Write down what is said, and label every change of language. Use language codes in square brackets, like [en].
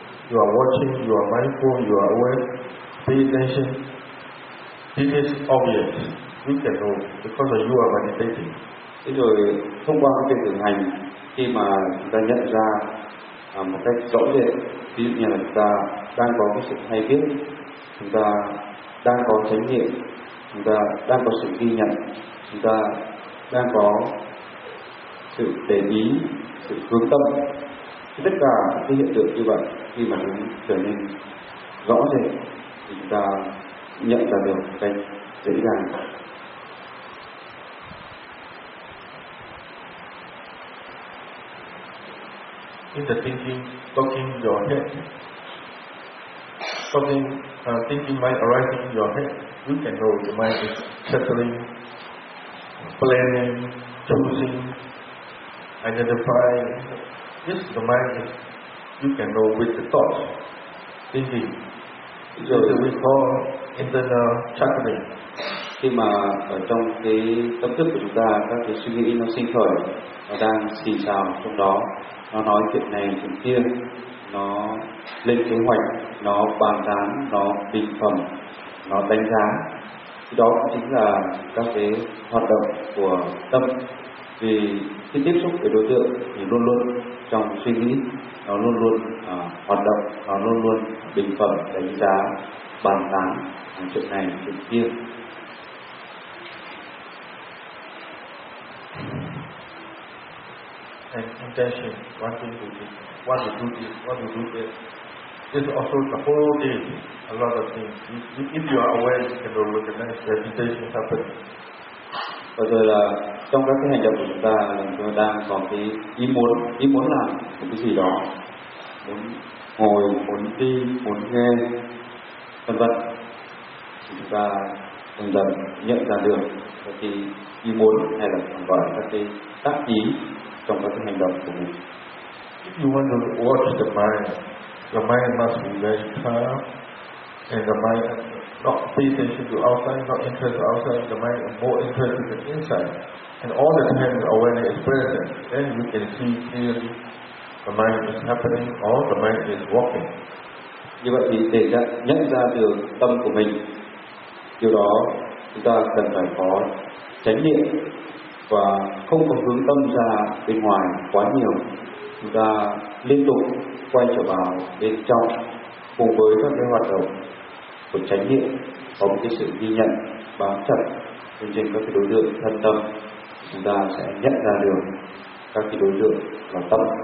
[en] You are watching, you are mindful, you are aware. Pay attention. This is obvious. You can know because of you are meditating. [vi] Thế rồi thông qua cái thực hành, khi mà chúng ta nhận ra một cách rõ rệt, ví dụ như là chúng ta đang có cái sự hay biết, chúng ta đang có chánh niệm, chúng ta đang có sự ghi nhận, chúng ta đang có sự để ý, sự hướng tâm, tất cả cái hiện tượng như vậy khi mà chúng trở nên rõ rệt thì chúng ta nhận ra được một cách dễ dàng. [en] In the thinking, talking in your head, talking, thinking mind arising in your head, you can know your mind is settling, planning, choosing, identifying. This the mind is, you can know with the thoughts, thinking. So we call internal chattering. [vi] Khi mà ở trong cái tâm thức của chúng ta, các cái suy nghĩ nó sinh khởi, nó đang xì xào trong đó, nó nói chuyện này chuyện kia, nó lên kế hoạch, nó bàn tán, nó bình phẩm, nó đánh giá, đó cũng chính là các cái hoạt động của tâm. Vì khi tiếp xúc với đối tượng thì luôn luôn trong suy nghĩ, nó luôn luôn hoạt động, nó luôn luôn bình phẩm, đánh giá, bàn tán chuyện này chuyện kia. [en] And intention, wanting to do, want to do this, want to do this. This also the whole day, a lot of things. If you are aware, you can recognize that intention happens. [vi] Và rồi là trong các cái hành động của chúng ta, chúng ta đang có cái ý muốn làm một cái gì đó, muốn ngồi, muốn đi, muốn nghe, vân vân. Chúng ta dần dần nhận ra được các cái ý muốn hay là còn gọi là các cái tác ý trong các cái hành động của mình. [en] If you want to watch the mind must be very calm, and the mind not pay attention to outside, not interest outside, the mind more interested in the inside, and all the time awareness is present, then you can see clearly the mind is happening or the mind is walking. [vi] Như vậy thì để nhận ra được tâm của mình, điều đó chúng ta cần phải có chánh niệm và không có hướng tâm ra bên ngoài quá nhiều, chúng ta liên tục quay trở vào bên trong cùng với các cái hoạt động của chánh niệm, có một cái sự ghi nhận bám chặt bên trên các cái đối tượng thân tâm, chúng ta sẽ nhận ra được các cái đối tượng là tâm.